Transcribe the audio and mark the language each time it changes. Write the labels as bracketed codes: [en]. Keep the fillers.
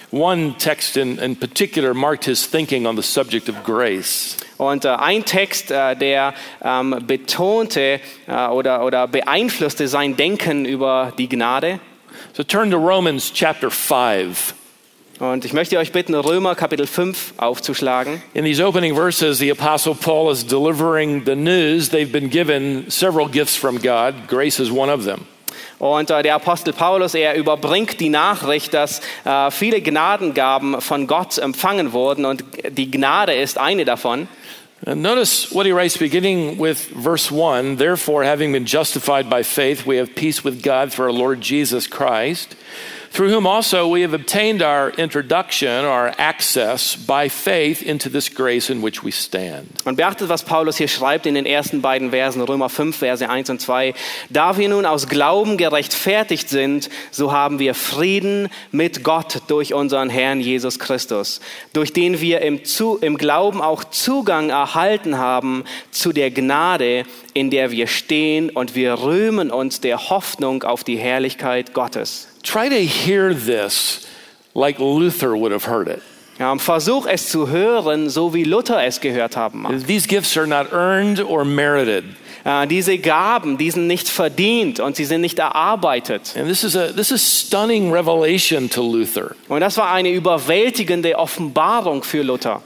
[en] One text in, in, particular marked his thinking on the subject of grace. [de] Und ein Text, der um, betonte oder, oder beeinflusste sein Denken über die Gnade. [en] So turn to Romans chapter 5. [de] Und ich möchte euch bitten, Römer Kapitel 5 aufzuschlagen. [en] In these opening verses, the apostle Paul is delivering the news they've been given several gifts from God. Grace is one of them. [de] Und äh, der Apostel Paulus, er überbringt die Nachricht, dass äh, viele Gnadengaben von Gott empfangen wurden und die Gnade ist eine davon. [en] And notice what he writes beginning with verse 1, therefore having been justified by faith, we have peace with God through our Lord Jesus Christ. through whom also we have obtained our introduction, our access by faith into this grace in which we stand. [de] Und beachtet, was Paulus hier schreibt in den ersten beiden Versen, Römer 5, Verse 1 und 2. Da wir nun aus Glauben gerechtfertigt sind, so haben wir Frieden mit Gott durch unseren Herrn Jesus Christus, durch den wir im, zu im Glauben auch Zugang erhalten haben zu der Gnade, in der wir stehen und wir rühmen uns der Hoffnung auf die Herrlichkeit Gottes. [en] try to hear this like Luther would have heard it. [de] Ja, versuch es zu hören, so wie Luther es gehört haben mag. [en] These gifts are not earned or merited. [de] Uh, diese Gaben, die sind nicht verdient und sie sind nicht erarbeitet. A, und das war eine überwältigende Offenbarung für Luther.